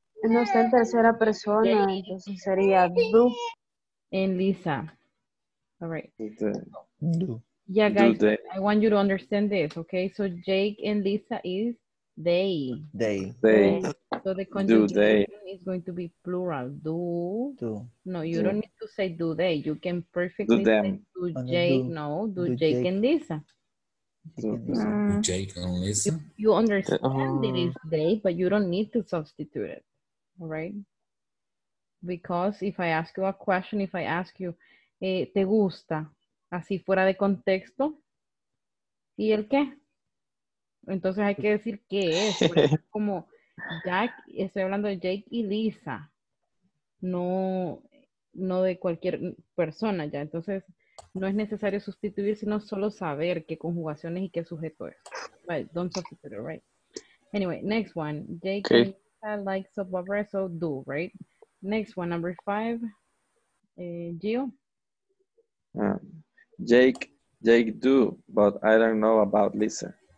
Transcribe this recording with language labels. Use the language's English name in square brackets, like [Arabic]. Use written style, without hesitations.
[Spanish] No está en tercera persona, entonces sería do. [English] And Lisa. All right. Yeah, guys, I want you to understand this, okay? So Jake and Lisa is they. They. So the conjugation is going to be plural. Do. No, you don't need to say do they. You can perfectly do them. Say do Jake. No, do Jake and Lisa. Jake and Lisa. You understand it is they, but you don't need to substitute it, all right? Because if I ask you a question, if I ask you, [Spanish] ¿te gusta? Así fuera de contexto. ¿Y el qué? Entonces hay que decir qué es. Es como Jack, estoy hablando de Jake y Lisa. No de cualquier persona ya. Entonces no es necesario sustituir, sino solo saber qué conjugaciones y qué sujeto es. [English] Right, don't substitute it, right? Anyway, next one. Jake and Lisa like soap opera, so do, right? Next one, number five. Gio? Jake do, but I don't know about Lisa.